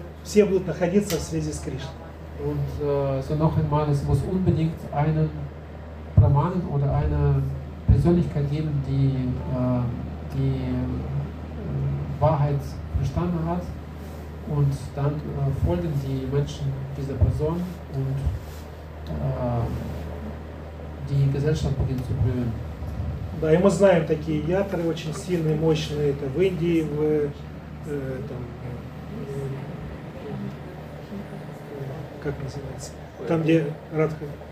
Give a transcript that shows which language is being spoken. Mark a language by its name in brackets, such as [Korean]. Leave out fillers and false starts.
[Russian] Все будут находиться в связи с Кришной. [German] Und so noch einmal, es muss unbedingt einen Brahmanen oder eine Persönlichkeit geben, die die Wahrheit verstanden hat. Und dann folgen die Menschen dieser Person und die Gesellschaft beginnt zu blühen. [Russian] Да, и мы знаем такие ятры очень сильные, мощные, это в Индии, в там, как называется, там, где Радха.